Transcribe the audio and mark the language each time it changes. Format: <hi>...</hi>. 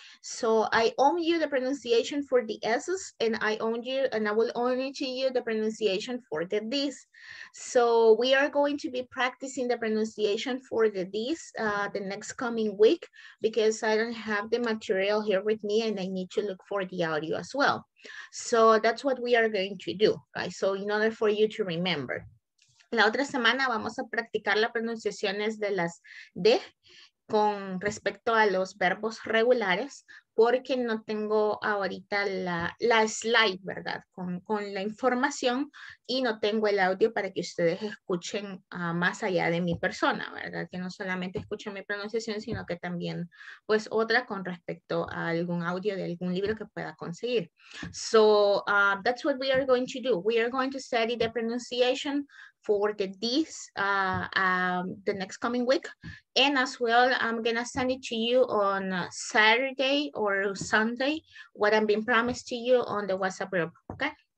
<en>So I own you the pronunciation for the S's, and I own you, and I will own it to you the pronunciation for the D's. So we are going to be practicing the pronunciation for the D's the next coming week, because I don't have the material here with me and I need to look for the audio as well. So that's what we are going to do, right? So in order for you to remember.</en> <es>La otra semana vamos a practicar las pronunciaciones de las D con respecto a los verbos regulares, porque no tengo ahorita la slide, ¿verdad? Con la información, y no tengo el audio para que ustedes escuchen más allá de mi persona, ¿verdad? Que no solamente escuchen mi pronunciación, sino que también pues otra con respecto a algún audio de algún libro que pueda conseguir.</es> <en>So that's what we are going to do. We are going to study the pronunciation for the D's the next coming week. And as well, I'm gonna send it to you on Saturday or Sunday, what I've been promised to you on the WhatsApp group, okay?</en>